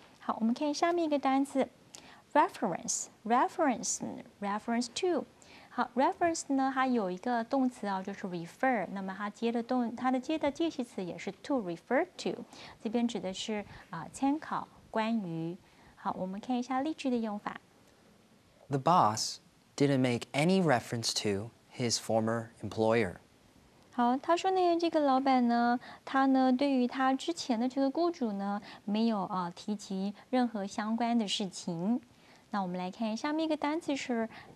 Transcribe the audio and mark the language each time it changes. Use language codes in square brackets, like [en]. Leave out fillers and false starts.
[zh] 好，我们看下面一个单词 reference to。好 ，reference 呢，它有一个动词啊，就是 refer。那么它接的动，它的接的介系词也是 to refer to。这边指的是参考，关于。好，我们看一下例句的用法。 [en] The boss didn't make any reference to his former employer. [zh] 好，他说呢，这个老板呢，他呢，对于他之前的这个雇主呢，没有提及任何相关的事情。那我们来看下面一个单词是。